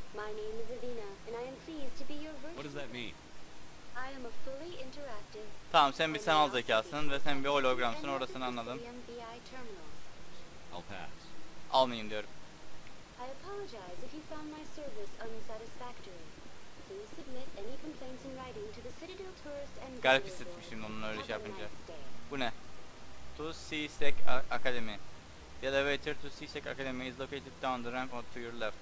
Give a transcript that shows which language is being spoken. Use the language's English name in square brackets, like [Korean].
[English] My name is Avena and I am pleased to be your virtual. What does that mean? I am a fully interactive. [Turkish] Tamam, sen bir sanal zekasın ve sen bir hologramsın, orasını anladım. [English] I'll pass. [Turkish] Almayayım diyorum. [English] I apologize if you found my service unsatisfactory. Please submit any complaints in writing to the Citadel Tourist and [Turkish] Garip hissetmişim onun öyle şey yapınca. Bu ne? [English] To CSEC Academy. The elevator to CSEC Academy is located down the ramp or to your left.